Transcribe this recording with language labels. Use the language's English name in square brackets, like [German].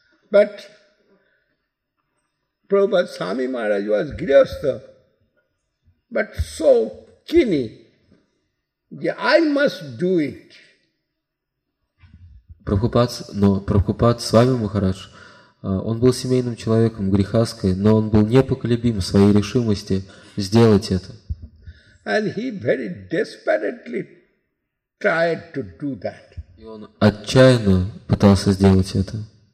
[English] But Prabhupada Swami Maharaj was grihastha, but so keen, I must do it. [Russian] Прабхупад Свами Махарадж, он был семейным человеком, грихаской, но он был непоколебим в своей решимости сделать это. [English] And he very desperately tried to do that. [Russian] И он отчаянно пытался сделать это.